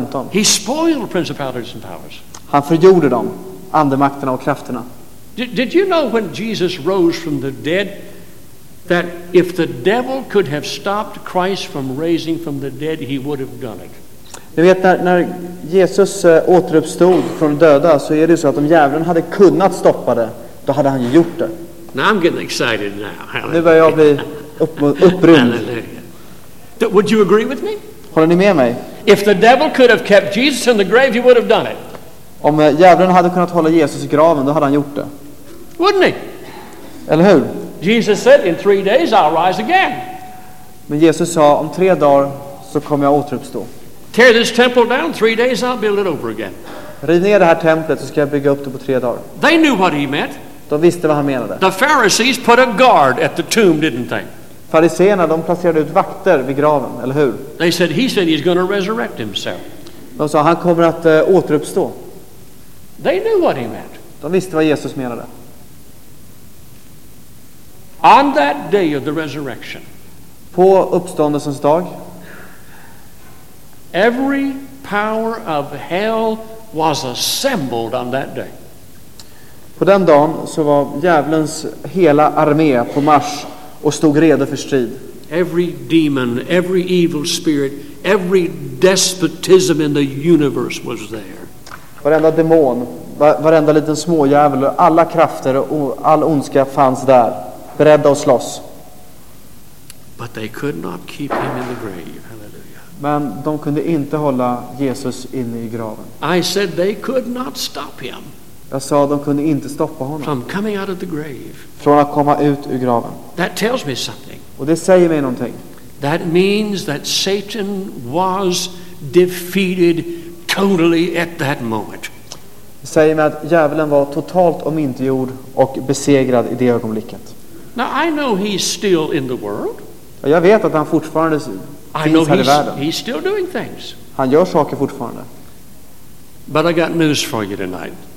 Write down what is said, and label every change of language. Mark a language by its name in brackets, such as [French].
[English] He spoiled principalities and powers. [Swedish] Han förgjorde dem, andemakterna och krafterna. [English] Did you know when Jesus rose from the dead that if the devil could have stopped Christ from raising from the dead he would have done it? [Swedish] Ni vet när Jesus återuppstod från döda så är det så att om djävulen hade kunnat stoppa det då hade han ju gjort det. [English] Now I'm getting excited now. [Swedish] Nu börjar jag bli upprymd. [English] Would you agree with me? [Swedish] Håller ni med mig? [English] If the devil could have kept Jesus in the grave he would have done it. [Swedish] Om djävulen hade kunnat hålla Jesus i graven då hade han gjort det. [English] Wouldn't he? [Swedish] Eller hur? [English] Jesus said in 3 days I'll rise again. [Swedish] Men Jesus sa om 3 dagar så kommer jag återuppstå. [English] Tear this temple down, 3 days I'll build it over again. [Swedish] Riv ner det här templet så ska jag bygga upp det på 3 dagar. [English] They knew what he meant. [Swedish] De visste vad han menade. [English] The Pharisees put a guard at the tomb, didn't they? [Swedish] Fariséerna, de placerade ut vakter vid graven, eller hur? [English] They said he said he's going to resurrect himself. [Swedish] De sa han kommer att återuppstå. [English] They knew what he meant. [Swedish] De visste vad Jesus menade. [English] On that day of the resurrection. [Swedish] På uppståndelsens dag. [English] Every power of hell was assembled on that day. [Swedish] På den dagen så var djävulens hela armé på marsch och stod redo för strid. [English] Every demon, every evil spirit, every despotism in the universe was there. [Swedish] Varenda demon, varenda liten smådjävul, alla krafter och all ondska fanns där, beredda att slåss. [English] But they could not keep him in the grave. Hallelujah. [Swedish] Men de kunde inte hålla Jesus inne i graven. [English] I said they could not stop him. [Swedish] Jag sa de kunde inte stoppa honom. [English] From coming out of the grave. [Swedish] Från att komma ut ur graven. [English] That tells me something. [Swedish] Och det säger mig någonting. [English] That means that Satan was defeated totally at that moment. [Swedish] Det säger mig att djävulen var totalt omintetgjord och besegrad i det ögonblicket. [English] Now I know he's still in the world. [Swedish] Jag vet att han fortfarande finns här i världen. [English] He's still doing things. [Swedish] Han gör saker fortfarande. [English] But I got news for you tonight.